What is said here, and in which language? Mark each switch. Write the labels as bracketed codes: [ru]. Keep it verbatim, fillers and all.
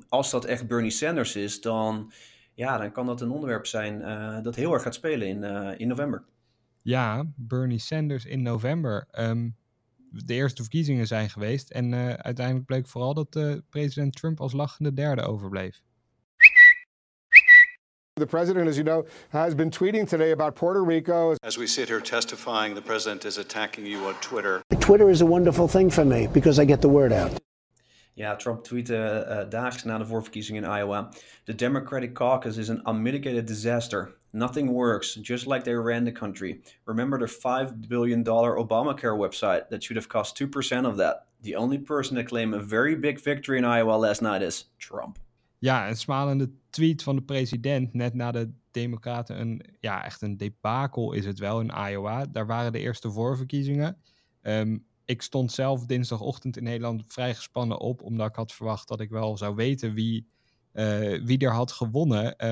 [nl] Als dat echt Bernie Sanders is, dan, ja, dan kan dat een onderwerp zijn uh, dat heel erg gaat spelen in, uh, in november. Ja, Bernie Sanders in november. Um, de eerste verkiezingen zijn geweest en uh, uiteindelijk bleek vooral dat uh, president Trump als lachende derde overbleef. [en] The president, as you know, has been tweeting today about Puerto Rico. As we sit here testifying, the president is attacking you on Twitter. Twitter is a wonderful thing for me because I get the word out. [nl] Ja, Trump tweette uh, daags na de voorverkiezingen in Iowa. [en] The Democratic caucus is an unmitigated disaster. Nothing works, just like they ran the country. Remember the five billion dollars Obamacare website that should have cost two percent of that. The only person that claimed a very big victory in Iowa last night is Trump. [nl] Ja, een smalende tweet van de president net na de Democraten. Een, ja, echt een debacle is het wel in Iowa. Daar waren de eerste voorverkiezingen. Um, ik stond zelf dinsdagochtend in Nederland vrij gespannen op, omdat ik had verwacht dat ik wel zou weten wie, uh, wie er had gewonnen.